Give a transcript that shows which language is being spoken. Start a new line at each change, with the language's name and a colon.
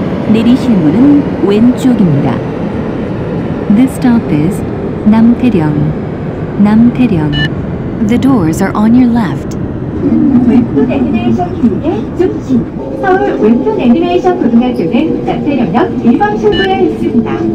Korean: 내리실 문은 왼쪽입니다.
English: This stop is 남태령. 남태령. The doors are on your left.
Korean: 외국 애니메이션 교육의 중심. 서울 외국 애니메이션 고등학교는 남태령역 1번 출구에 있습니다.